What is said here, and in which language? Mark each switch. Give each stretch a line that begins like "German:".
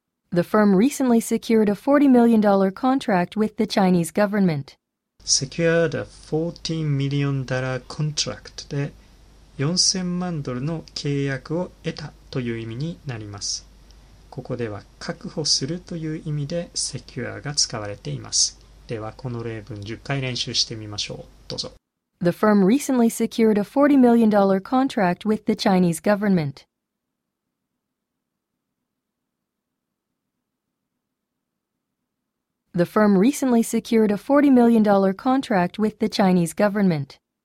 English: The firm recently secured a $40 million contract with the Chinese government. Secured a $40 million contract
Japanese: で4000万ドルの契約を得たという意味になります。ここでは確保するという意味で secure が使われています。ではこの例文10回練習してみましょう。どうぞ。
English: The firm recently secured a $40 million contract with the Chinese government. The firm recently secured a $40 million contract with the Chinese government.